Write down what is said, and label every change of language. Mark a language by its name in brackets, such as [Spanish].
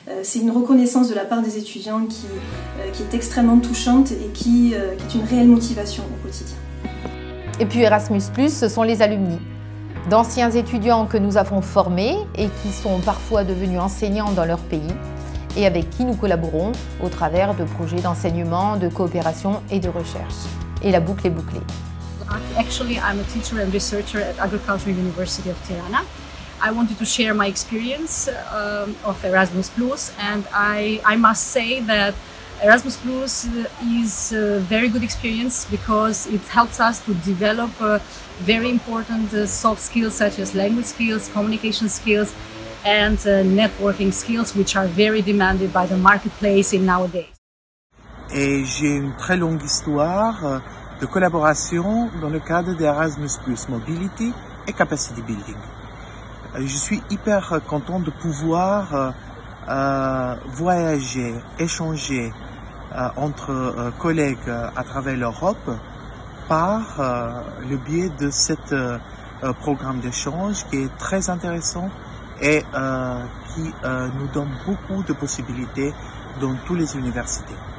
[French] C'est une reconnaissance de la part des étudiants qui est extrêmement touchante et qui est une réelle motivation au quotidien. Et puis Erasmus+, ce sont les alumni, d'anciens étudiants que nous avons formés et qui sont parfois devenus enseignants dans leur pays, et avec qui nous collaborons au travers de projets d'enseignement, de coopération et de recherche. Et la boucle est bouclée. [English] Actually, I'm a teacher and researcher at Agricultural University of Tirana. I wanted to share my experience of Erasmus+, and I must say that Erasmus+ is a very good experience because it helps us to develop very important soft skills such as language skills, communication skills, and networking skills, which are very demanded by the marketplace in nowadays. [French] Et j'ai une très longue histoire de collaboration dans le cadre d'Erasmus+, Mobility et Capacity Building. Je suis hyper content de pouvoir voyager, échanger entre collègues à travers l'Europe par le biais de ce programme d'échange qui est très intéressant et qui nous donne beaucoup de possibilités dans toutes les universités.